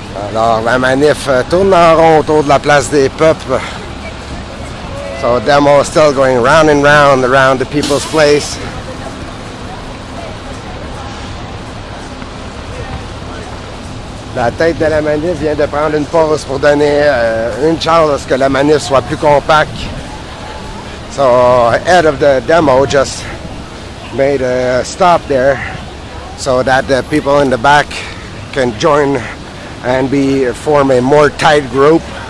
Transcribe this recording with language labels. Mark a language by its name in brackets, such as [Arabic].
[French] Alors, la manif tourne en rond autour de la place des peuples. [English] So, the demo is still going round and round around the people's place. [French] La tête de la manif vient de prendre une pause pour donner une chance à ce que la manif soit plus compacte. [English] So, head of the demo just made a stop there so that the people in the back can join and be form a more tight group.